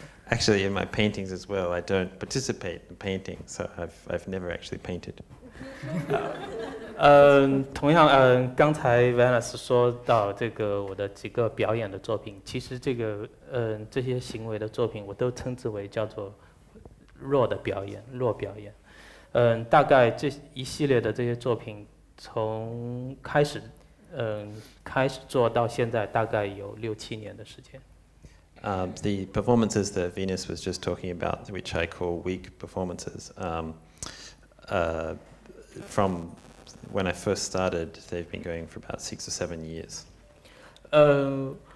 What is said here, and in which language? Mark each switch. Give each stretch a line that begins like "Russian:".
English: Actually, in my paintings as well, I don't participate in painting, so I've never actually painted.
Chinese: 同样，刚才 Venus 说到这个我的几个表演的作品，其实这个这些行为的作品，我都称之为叫做弱的表演，弱表演。大概这一系列的这些作品，从开始。开始做到现在大概有六七年的时间。
English: The performances that Venus was just talking about, which I call weak performances, from when I first started, they've been going for about 6 or 7 years.